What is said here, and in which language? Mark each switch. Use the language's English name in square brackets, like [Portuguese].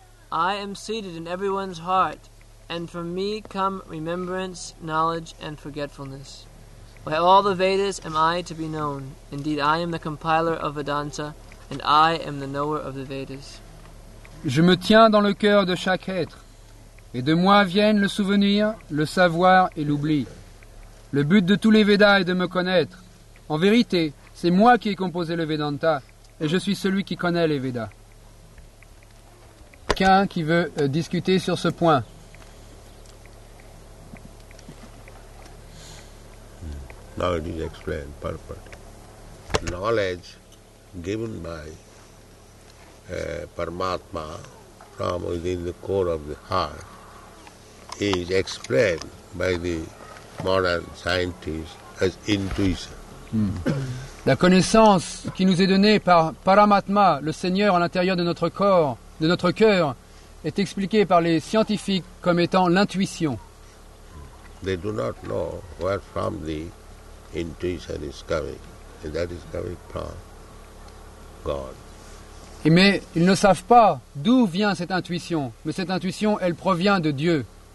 [English] I am seated in everyone's heart, and from me come remembrance, knowledge, and forgetfulness. By all the Vedas am I to be known. Indeed, I am the compiler of Vedanta, and I am the knower of the Vedas. [French] Je me tiens dans le cœur de chaque être, et de moi viennent le souvenir, le savoir et l'oubli. Le but de tous les Vedas est de me connaître. En vérité, c'est moi qui ai composé le Vedanta, et je suis celui qui connaît les Vedas. Quelqu'un qui veut discuter sur ce point? [English] Knowledge is explained, Parapat. Knowledge given by Paramatma from within the core of the heart is explained by the modern scientists as intuition. Mm. [French] La connaissance qui nous est donnée par Paramatma, le Seigneur à l'intérieur de notre corps, de notre cœur, est expliquée par les scientifiques comme étant l'intuition. [English] They do not know where from the intuition is coming, and that is coming from God. [French] Mais ils ne savent pas d'où vient cette intuition, mais cette intuition, elle provient de Dieu.